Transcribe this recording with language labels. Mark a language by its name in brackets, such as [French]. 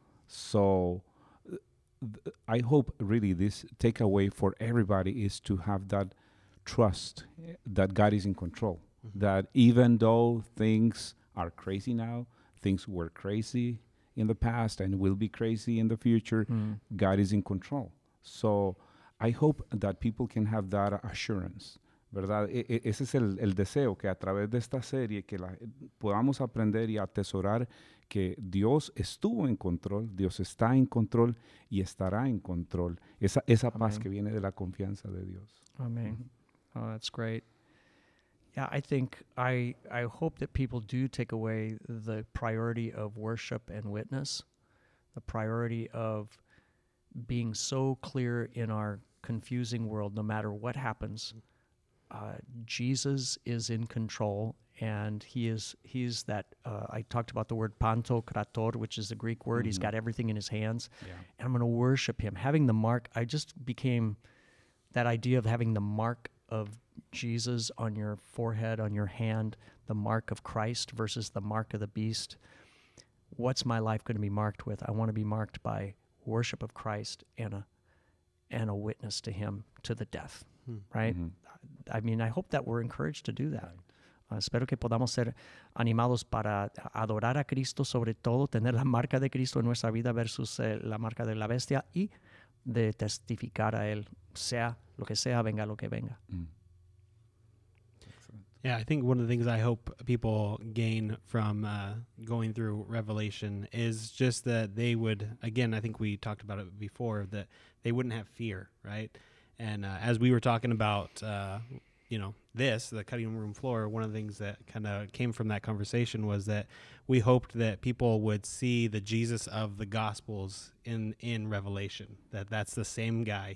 [English] So I hope really this takeaway for everybody is to have that trust that God is in control, mm-hmm. that even though things are crazy now, things were crazy in the past and will be crazy in the future, mm-hmm. God is in control. So I hope that people can have that assurance. [Spanish] ¿Verdad? Ese es el deseo, que a través de esta serie que podamos aprender y atesorar que Dios estuvo en control, Dios está en control y estará en control. Esa Amen. Paz que viene de la confianza de Dios. [English] Amen. Mm-hmm. Oh, that's great. Yeah, I think I hope that people do take away the priority of worship and witness, the priority of being so clear in our confusing world, no matter what happens. Jesus is in control, and he's that, I talked about the word pantokrator, which is the Greek word. Mm-hmm. He's got everything in his hands, yeah. and I'm going to worship him. Having the mark, I just became that idea of having the mark of Jesus on your forehead, on your hand, the mark of Christ versus the mark of the beast. What's my life going to be marked with? I want to be marked by worship of Christ and a witness to him to the death. Right? Mm-hmm. I mean, I hope that we're encouraged to do that. [Spanish] Espero que podamos ser animados para adorar a Cristo, sobre todo tener la marca de Cristo en nuestra vida versus la marca de la bestia y de testificar a él, sea lo que sea, venga lo que venga. Mm. [English] Yeah, I think one of the things I hope people gain from going through Revelation is just that they would, again, I think we talked about it before, that they wouldn't have fear, right? And as we were talking about, you know, this, the cutting room floor, one of the things that kind of came from that conversation was that we hoped that people would see the Jesus of the Gospels in Revelation, that's the same guy.